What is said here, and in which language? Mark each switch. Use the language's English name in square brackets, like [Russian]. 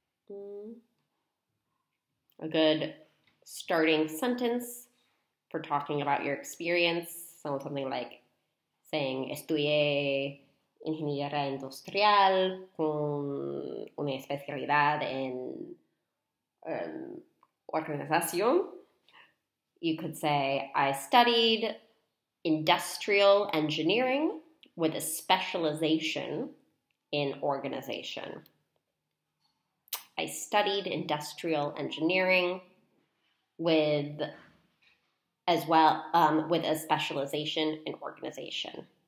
[English] A good starting sentence for talking about your experience. So something like saying, [Spanish] estudié ingeniería industrial con una especialidad en organización. [English] You could say, I studied industrial engineering with a specialization in organization. I studied industrial engineering with as well, with a specialization in organization.